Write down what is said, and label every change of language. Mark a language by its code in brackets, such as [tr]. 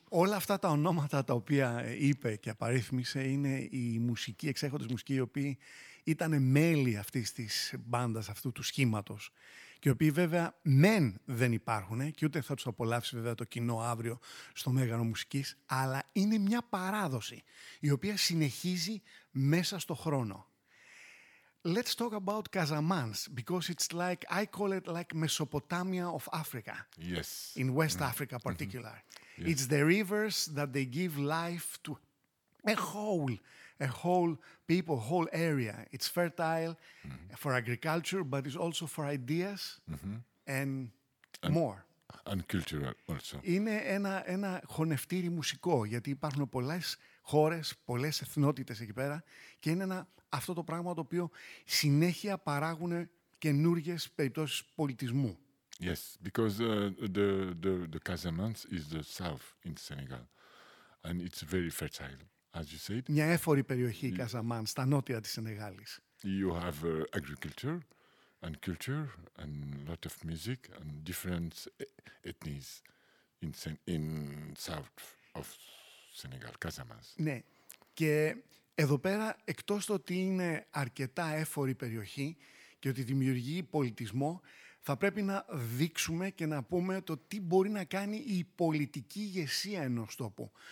[el] Όλα αυτά τα ονόματα τα οποία είπε και απαρίθμησε είναι οι μουσικοί, εξέχοντες μουσικοί, οι οποίοι ήταν μέλη αυτής της μπάντας, αυτού του σχήματος. Και οι οποίοι βέβαια μεν δεν υπάρχουν και ούτε θα τους απολαύσει βέβαια το κοινό αύριο στο Μέγαρο Μουσικής, αλλά είναι μια παράδοση η οποία συνεχίζει μέσα στο χρόνο. [en] Let's talk about Casamance, because it's like, I call it like Mesopotamia of Africa. Yes. In West Africa particular. Mm-hmm. Yes. It's the rivers that they give life to a whole people, whole area. It's fertile for agriculture, but it's also for ideas and more. And cultural also. [el] Είναι ένα χωνευτήρι μουσικό, γιατί υπάρχουν πολλές χώρες, πολλές εθνότητες εκεί πέρα και είναι αυτό το πράγμα το οποίο συνέχεια παράγουν καινούργιες περιπτώσεις πολιτισμού. [en] Yes, because the Casamance is the south in Senegal and it's very fertile. As you said, [el] μια έφορη περιοχή, η Καζαμάν, στα νότια της Σενεγάλης. [en] You have agriculture and culture and lot of music and different ethnies in south of Senegal, Casamance. [el] Ναι. Και εδώ πέρα, εκτός το ότι είναι αρκετά έφορη περιοχή και ότι δημιουργεί πολιτισμό, θα πρέπει να δείξουμε και να πούμε το τι μπορεί να κάνει η πολιτική ηγεσία ενός τόπου.